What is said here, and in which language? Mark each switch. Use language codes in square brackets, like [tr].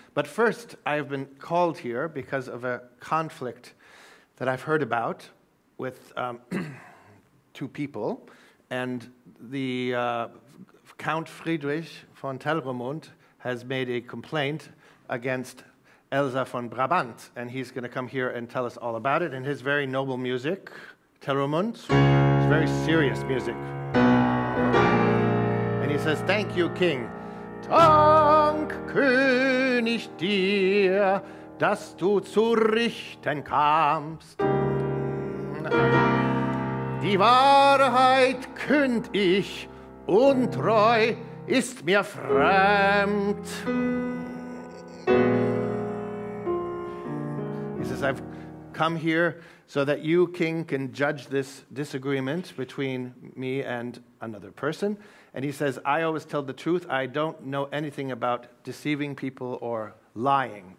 [en] But first, I have been called here because of a conflict that I've heard about with two people, and the Count Friedrich von Telramund has made a complaint against Elsa von Brabant, and he's gonna come here and tell us all about it. And his very noble music, Telramund, is very serious music. And he says, thank you, King. [de] Dank, König, dir, dass du zu richten kamst. Die Wahrheit künd ich, untreu ist mir fremd. [en] He says, I've come here so that you, King, can judge this disagreement between me and another person. And he says, I always tell the truth. I don't know anything about deceiving people or lying.